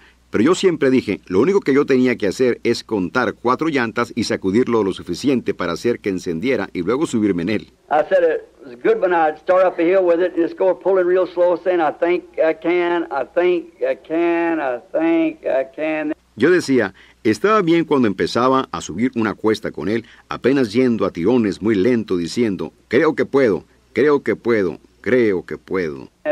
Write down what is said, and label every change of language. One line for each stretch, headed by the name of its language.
Spanish: Pero yo siempre dije, lo único que yo tenía que hacer es contar cuatro llantas y sacudirlo lo suficiente para hacer que encendiera y luego subirme en él.
English: I said it was good when I'd start up a hill with it and just go pulling real slow saying, I think I can, I think I can, I think I can.
Spanish: Yo decía, estaba bien cuando empezaba a subir una cuesta con él, apenas yendo a tirones muy lento, diciendo, creo que puedo, creo que puedo, creo que puedo.